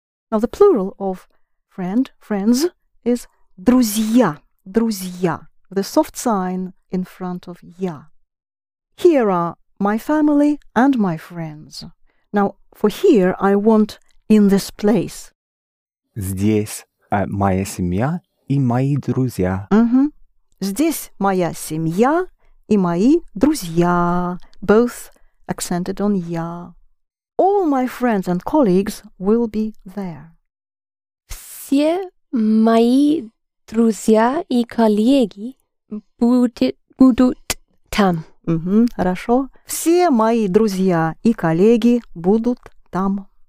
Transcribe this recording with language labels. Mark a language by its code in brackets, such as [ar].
[en] Now, the plural of friend, friends, is друзья, друзья, with a soft sign in front of я. Here are my family and my friends. Now, for here, I want in this place. [ru] Здесь моя семья и мои друзья. Mm-hmm. Здесь моя семья и мои друзья. [en] Both accented on я. All my friends and colleagues will be there. [ru] Все мои друзья и коллеги будут там. Mm-hmm, хорошо. Все мои друзья и коллеги будут там.